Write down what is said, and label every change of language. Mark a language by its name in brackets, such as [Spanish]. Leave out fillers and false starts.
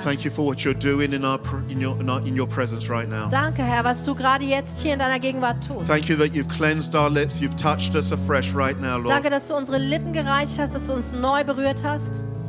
[English] Thank you for what you're doing in your presence right now. [German] Danke, Herr, was du gerade jetzt hier in deiner Gegenwart tust. [English] Thank you that you've cleansed our lips. You've touched us afresh right now, Lord. [German] Danke, dass du unsere Lippen gereinigt hast, dass du uns neu berührt hast.